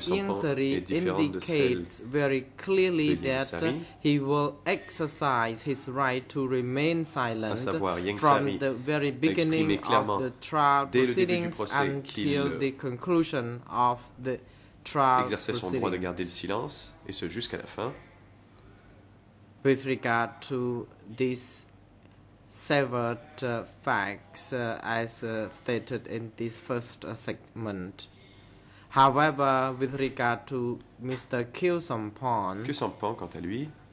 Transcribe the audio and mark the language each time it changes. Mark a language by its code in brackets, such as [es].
[en] Inzari indicates very clearly that he will exercise his right to remain silent from the very beginning of the trial proceedings until the conclusion of the trial proceedings. [fr] Exercer son droit de garder le silence, et ce jusqu'à la fin. [en] With regard to these severed facts as stated in this first segment. However, with regard to Mr. Kyo Sampan, [fr] quant à lui,